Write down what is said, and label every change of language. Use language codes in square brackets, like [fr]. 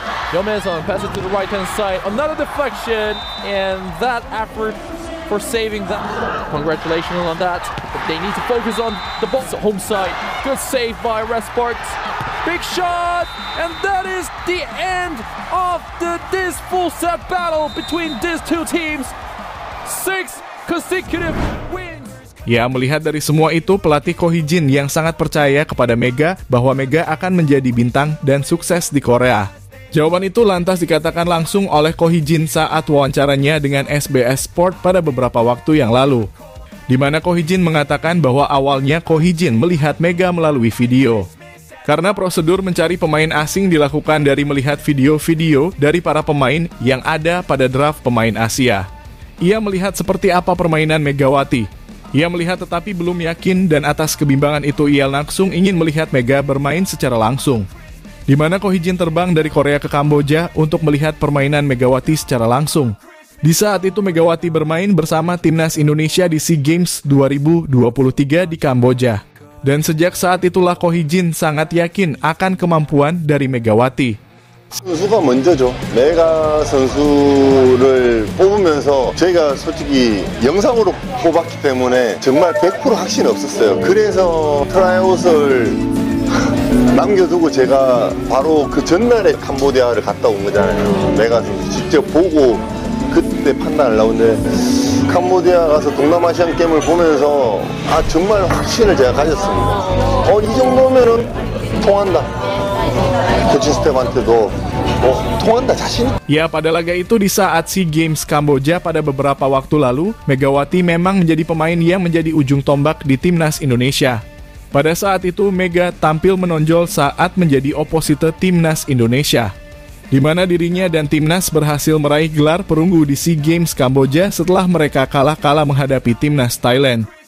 [en] Yomerson passes it to the right hand side, another deflection, and that effort for saving that. Congratulations on that. But they need to focus on the ball. So home side, good save by Red Sparks. Big shot, and that is the end of this full set battle between these two teams. 6 consecutive wins. [id] Ya, melihat dari semua itu, pelatih Ko Hee-jin yang sangat percaya kepada Mega bahwa Mega akan menjadi bintang dan sukses di Korea. Jawaban itu lantas dikatakan langsung oleh Ko Hee-jin saat wawancaranya dengan SBS Sport pada beberapa waktu yang lalu. Di mana Ko Hee-jin mengatakan bahwa awalnya Ko Hee-jin melihat Mega melalui video. Karena prosedur mencari pemain asing dilakukan dari melihat video-video dari para pemain yang ada pada draft pemain Asia. Ia melihat seperti apa permainan Megawati. Ia melihat tetapi belum yakin dan atas kebimbangan itu ia langsung ingin melihat Mega bermain secara langsung. Di mana Ko Hee Jin terbang dari Korea ke Kamboja untuk melihat permainan Megawati secara langsung. Di saat itu Megawati bermain bersama Timnas Indonesia di SEA Games 2023 di Kamboja. Dan sejak saat itulah Ko Hee Jin sangat yakin akan kemampuan dari Megawati. [ko] 선수가 먼저죠. 메가 선수를 뽑으면서 저희가 솔직히 영상으로 뽑았기 때문에 정말 100% 확신이 없었어요. 그래서 트라이아웃을 남겨두고 제가 바로 그 전날에 캄보디아를 갔다 온 거잖아요. 메가 선수 직접 보고 그때 판단을 나오는데 캄보디아 가서 동남아시안 게임을 보면서 아 정말 확신을 제가 가졌습니다. 어 이 정도면은 통한다. 코치 스텝한테도 어 통한다 자신. [id] Ya, pada laga itu di saat SEA Games Kamboja pada beberapa waktu lalu, Megawati memang menjadi pemain yang menjadi ujung tombak di Timnas Indonesia. Pada saat itu Mega tampil menonjol saat menjadi oposite Timnas Indonesia. Di mana dirinya dan Timnas berhasil meraih gelar perunggu di SEA Games Kamboja setelah mereka kalah-kalah menghadapi Timnas Thailand.